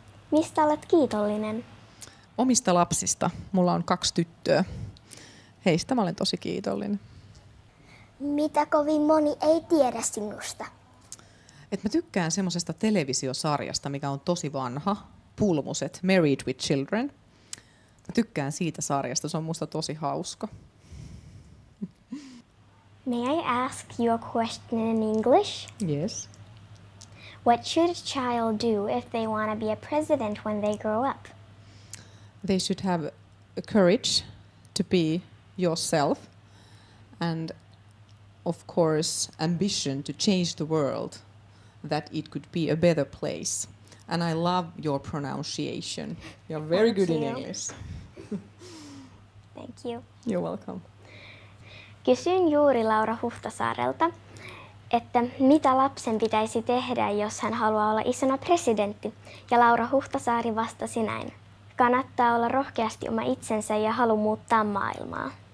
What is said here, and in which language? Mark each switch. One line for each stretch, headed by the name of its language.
Finnish: Mistä olet kiitollinen? Omista lapsista. Mulla on 2 tyttöä. Heistä mä olen tosi kiitollinen. Mitä kovin moni ei tiedä sinusta? Et mä tykkään semmoisesta televisiosarjasta, mikä on tosi vanha. Pulmuset, Married with Children. Mä tykkään siitä sarjasta, se on musta tosi hauska.
English: May I ask you a question in English? Yes. What should a child do if they want to be a president when they grow up? They should have the courage to be yourself and of course ambition to change the world, that it could be a better place. And I love your pronunciation. You're very good in English. Thank you. You're welcome.
Finnish: Kysyin juuri Laura Huhtasaarelta, että mitä lapsen pitäisi tehdä, jos hän haluaa olla isona presidentti. Ja Laura Huhtasaari vastasi näin. Kannattaa olla rohkeasti oma itsensä ja halu muuttaa maailmaa.